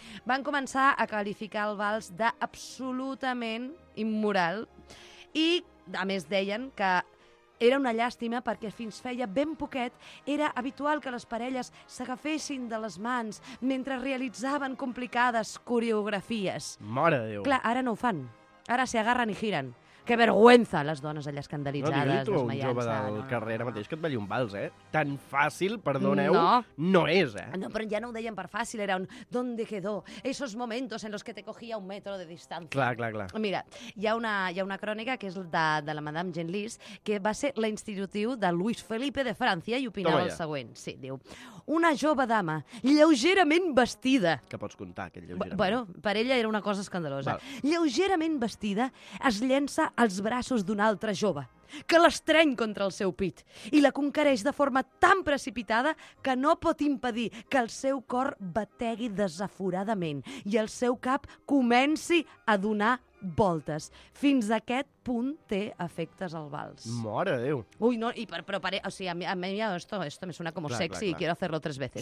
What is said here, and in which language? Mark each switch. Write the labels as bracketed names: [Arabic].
[Catalan] Van començar a qualificar el vals d'absolutament immoral i, a més, deien que era una llàstima perquè fins feia ben poquet era habitual que les parelles s'agafessin de les mans mentre realitzaven complicades coreografies. Mare de Déu! Clar, ara no ho fan. Ara s'hi agarren i giren. [Spanish] Que vergüenza, [Catalan] les dones allà escandalitzades. No, digui-t'ho, un jove del carrer mateix que et balli un vals, Tan fàcil, perdoneu, no és, No, però ja no ho deien per fàcil, era un [Spanish] ¿dónde quedó? Esos momentos en los que te cogía un metro de distancia. [Catalan] Clar. Mira, hi ha una crònica que és de la Madame Genlis, que va ser l'institutiu de Luis Felipe de França i opinava el següent. Sí, diu, una jove dama, lleugerament vestida... Que pots contar, aquest lleugerament? Bueno, per ella era una cosa escandalosa. Val. Lleugerament vestida, es llença als braços d'una altra jove, que l'estreny contra el seu pit i la conquereix de forma tan precipitada que no pot impedir que el seu cor bategui desaforadament i el seu cap comenci a donar voltes fins a aquest punt té efectes al vals. Mare de Déu. Ui, no, i però pare, o sigui, [Spanish] a mi esto me suena como sexy, [Catalan] clar. [Spanish] Y quiero hacerlo tres veces.